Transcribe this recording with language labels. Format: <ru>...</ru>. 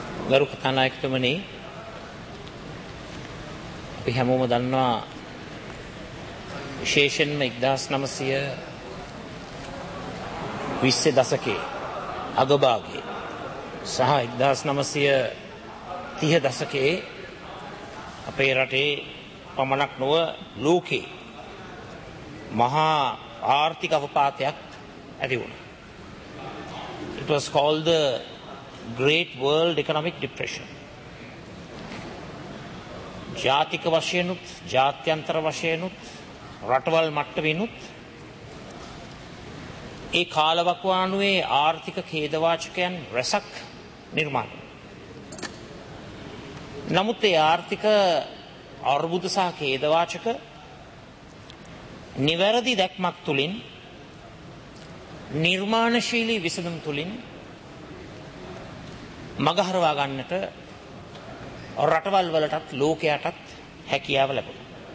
<si>ගරු කථානායකතුමනි, අපි හැමෝම දන්නවා විශේෂයෙන්ම 1920 දශකයේ අගභාගයේ සහ 1930 දශකයේ අපේ රටේ පමණක් නොව ලෝකේ මහා ආර්ථික අවපාතයක් ඇති වුණා.</si> <en>It was called the Great World Economic Depression.</en> <si>ජාතික වශයෙන්ුත්, ජාත්‍යන්තර වශයෙන්ුත්, රටවල් මට්ටමින්ුත් ඒ කාලවකවානුවේ ආර්ථික ඛේදවාචකයන් රැසක් නිර්මාණය. නමුත් ඒ ආර්ථික අර්බුද සහ ඛේදවාචක නිවැරදි දැක්මක් තුළින් නිර්මාණශීලී විසඳුම් තුළින් මගහරවා ගන්නට රටවල් වලටත් ලෝකයටත් හැකියාව ලැබුණා.</si>